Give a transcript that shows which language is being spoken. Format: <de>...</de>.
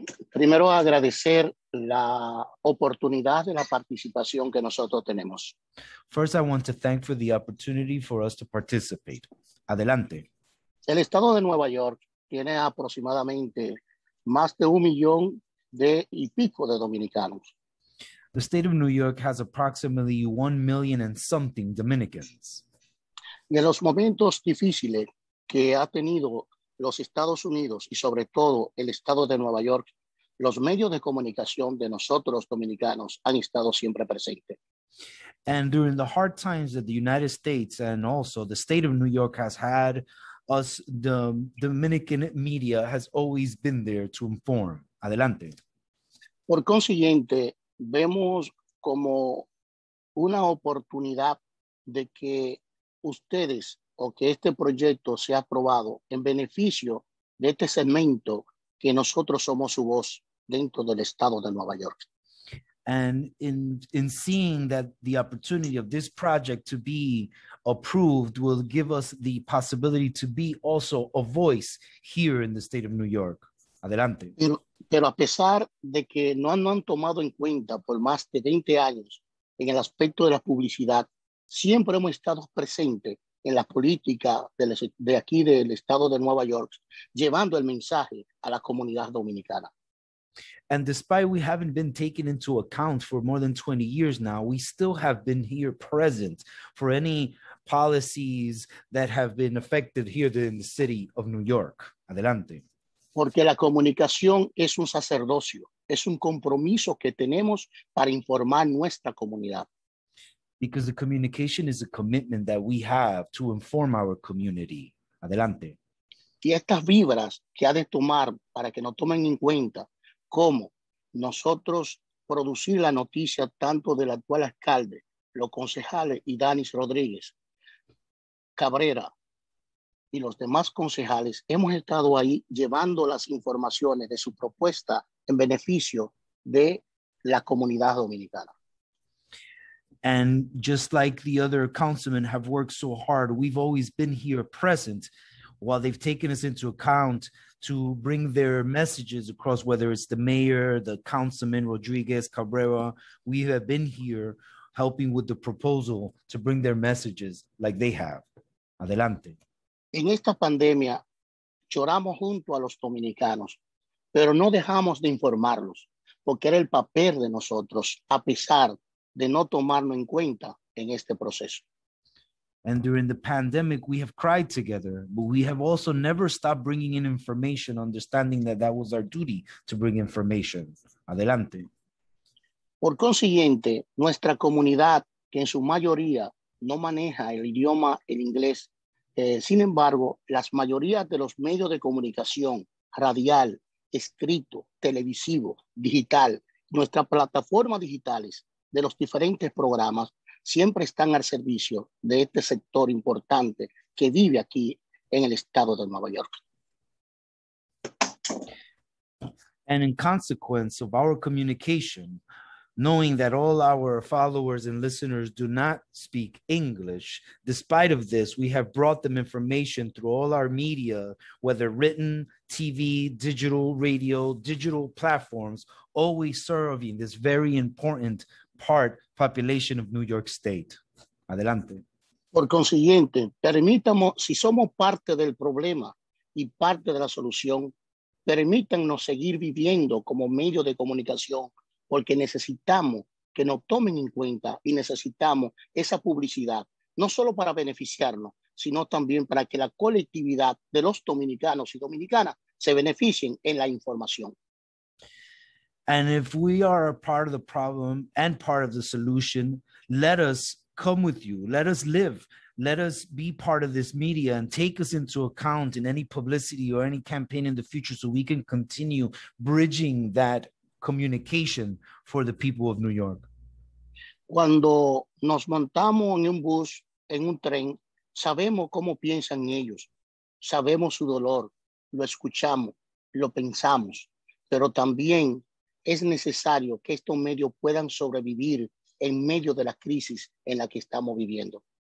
<es>Primero, agradecer la oportunidad de la participación que nosotros tenemos.</es> <en>First, I want to thank for the opportunity for us to participate.</en> <es>Adelante. El estado de Nueva York tiene aproximadamente más de 1,000,000 de y pico de dominicanos.</es> <en>The state of New York has approximately 1,000,000 and something Dominicans.</en> <es>De los momentos difíciles que ha tenido los Estados Unidos y sobre todo el estado de Nueva York, los medios de comunicación de nosotros dominicanos han estado siempre presentes.</es> <en>And during the hard times that the United States and also the state of New York has had, us, the Dominican media has always been there to inform.</en> <es>Adelante. Por consiguiente, vemos como una oportunidad de que ustedes o que este proyecto sea aprobado en beneficio de este segmento que nosotros somos su voz dentro del estado de Nueva York.</es> <en>And in seeing that the opportunity of this project to be approved will give us the possibility to be also a voice here in the state of New York.</en> <es>Adelante. Pero a pesar de que no han tomado en cuenta por más de 20 años en el aspecto de la publicidad, siempre hemos estado presentes en la política de aquí del estado de Nueva York, llevando el mensaje a la comunidad dominicana.</es> <en>And despite we haven't been taken into account for more than 20 years now, we still have been here present for any policies that have been affected here in the city of New York.</en> <es>Adelante. Porque la comunicación es un sacerdocio, es un compromiso que tenemos para informar nuestra comunidad.</es> <en>Because the communication is a commitment that we have to inform our community.</en> <es>Adelante. Y estas vibras que ha de tomar para que nos tomen en cuenta cómo nosotros producir la noticia tanto del actual alcalde, los concejales y Danis Rodríguez, Cabrera, y los demás concejales hemos estado ahí llevando las informaciones de su propuesta en beneficio de la comunidad dominicana.</es> <en>And just like the other councilmen have worked so hard, we've always been here present while they've taken us into account to bring their messages across, whether it's the mayor, the councilman Rodriguez, Cabrera, we have been here helping with the proposal to bring their messages like they have.</en> <es>Adelante. En esta pandemia, lloramos junto a los dominicanos, pero no dejamos de informarlos, porque era el papel de nosotros, a pesar de no tomarlo en cuenta en este proceso.</es> <en>And during the pandemic, we have cried together, but we have also never stopped bringing in information, understanding that that was our duty to bring information.</en> <es>Adelante. Por consiguiente, nuestra comunidad, que en su mayoría no maneja el idioma, el inglés, sin embargo, las mayorías de los medios de comunicación, radial, escrito, televisivo, digital, nuestras plataformas digitales de los diferentes programas siempre están al servicio de este sector importante que vive aquí en el estado de Nueva York.</es> <en>And in consequence of our communication, knowing that all our followers and listeners do not speak English, despite of this, we have brought them information through all our media, whether written, TV, digital, radio, digital platforms, always serving this very important part population of New York State.</en> <es>Adelante. Por consiguiente, permitamos, si somos parte del problema y parte de la solución, permítannos seguir viviendo como medio de comunicación, porque necesitamos que nos tomen en cuenta y necesitamos esa publicidad, no solo para beneficiarnos, sino también para que la colectividad de los dominicanos y dominicanas se beneficien en la información.</es> <en>And if we are a part of the problem and part of the solution, let us come with you, let us live, let us be part of this media and take us into account in any publicity or any campaign in the future so we can continue bridging that communication for the people of New York.</en> <es>Cuando nos montamos en un bus, en un tren, sabemos cómo piensan ellos, sabemos su dolor, lo escuchamos, lo pensamos, pero también es necesario que estos medios puedan sobrevivir en medio de la crisis en la que estamos viviendo.</es>